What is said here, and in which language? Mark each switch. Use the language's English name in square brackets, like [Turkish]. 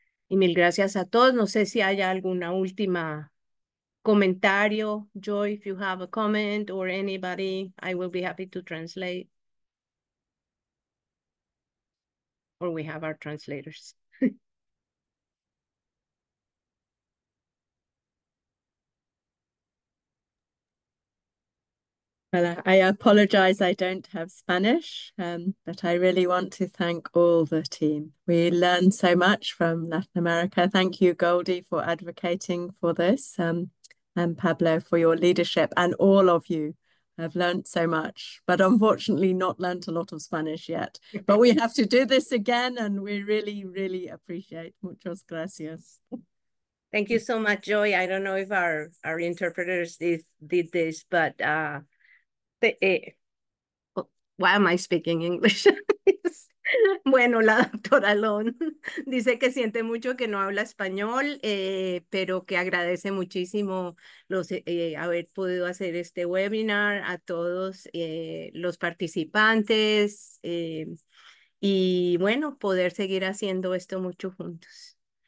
[Spanish] Y mil gracias a todos. No sé si hay alguna última comentario. [English] Joy, if you have a comment or anybody, I will be happy to translate. Or we have our translators. Well, I apologize I don't have Spanish, but I really want to thank all the team. We learned so much from Latin America. Thank you, Goldie, for advocating for this, and Pablo for your leadership, and all of you. I've learned so much, but unfortunately not learned a lot of Spanish yet. But we have to do this again, and we really, really appreciate. [Spanish] Muchas gracias. [English] Thank you so much, Joy. I don't know if our interpreters did this, but why am I speaking English? [Spanish] Bueno, la doctora Lon dice que siente mucho que no habla español, pero que agradece muchísimo haber podido hacer este webinar a todos los participantes y bueno, poder seguir haciendo esto mucho juntos.